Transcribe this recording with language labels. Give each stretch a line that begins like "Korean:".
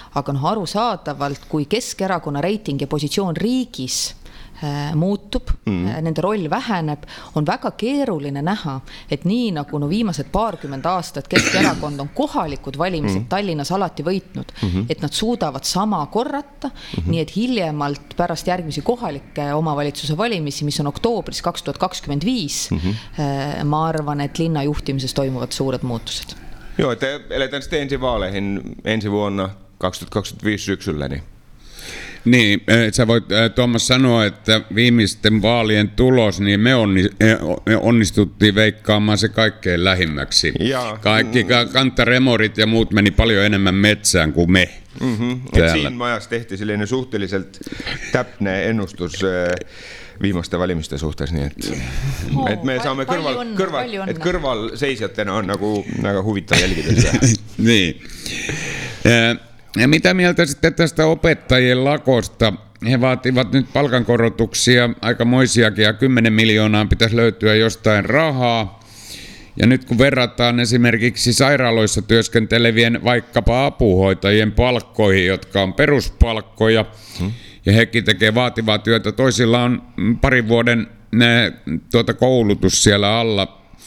Estonian: Aga noh, aru saadavalt, kui keskerakonna reiting ja positsioon riigis muutub, nende roll väheneb, on väga keeruline näha, et nii nagu no viimased paarkümend aastat keskerakond on kohalikud valimised Tallinnas alati võitnud, et nad suudavad sama korrata, nii et hiljemalt pärast järgmisi kohalike omavalitsuse valimisi, mis on oktoobris 2025, ma arvan, et linna juhtimises toimuvad suured muutused.
Finnish: Joo, te eletään sitten ensi vaaleihin ensi vuonna 2025 syksyllä, niin niin, sä voit Tuomas sanoa, että viimeisten vaalien tulos, niin me onnistuttiin veikkaamaan se kaikkein lähimmäksi. Ja, kaikki kantaremorit ja muut meni paljon enemmän metsään kuin me. Mm-hmm. Siinä majassa tehtiin sellainen
Estonian: suhteelliselt täpne ennustus viimaste valimiste suhtes, nii et, oh, et me saame kõrval seisjatena on nagu väga huvitav jälgida seda. Nii.
Finnish: Ja mitä mieltä sitten tästä opettajien lakosta? He vaativat nyt palkankorotuksia, aika moisiakin, ja 10 miljoonaa pitäisi löytyä jostain rahaa. Ja nyt kun verrataan esimerkiksi sairaaloissa työskentelevien vaikkapa apuhoitajien palkkoihin, jotka on peruspalkkoja, ja hekin tekee vaativaa työtä, toisilla on parin vuoden koulutus siellä alla.